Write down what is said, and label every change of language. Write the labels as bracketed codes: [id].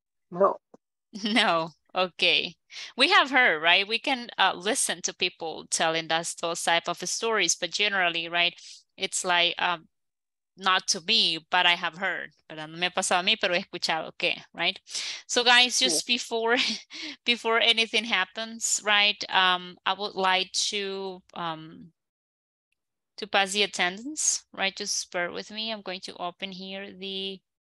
[en] No. No. Okay. We have heard, right? We can listen to people telling us those type of stories, but generally, right, it's like not to me, but I have heard. [es] Pero no me ha pasado a mí, pero he escuchado, okay, right? [en] So guys, just before anything happens, right, I would like to pass the attendance, right? Just bear with me. I'm going to open here the...